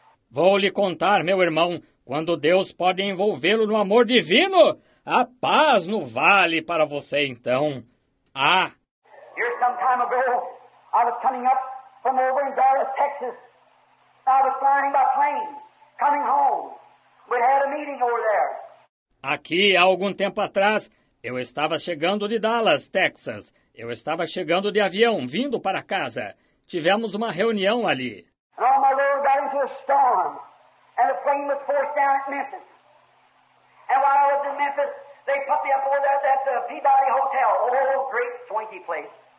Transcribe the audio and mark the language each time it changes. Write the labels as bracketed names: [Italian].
[Portuguese] Vou lhe contar, meu irmão, quando Deus pode envolvê-lo no amor divino, há paz no vale para você, então. Há. [English] Here some time ago, I was coming up from over in Dallas, Texas. I was flying by plane, coming home. We had a meeting over there. [Portuguese] Aqui, há algum tempo atrás, eu estava chegando de Dallas, Texas. Eu estava chegando de avião, vindo para casa. Tivemos uma reunião ali. [English] And on my road, got into a storm, and a plane was forced down at Memphis. And while I was in Memphis, they put me up over there at that Peabody Hotel, old great swanky place.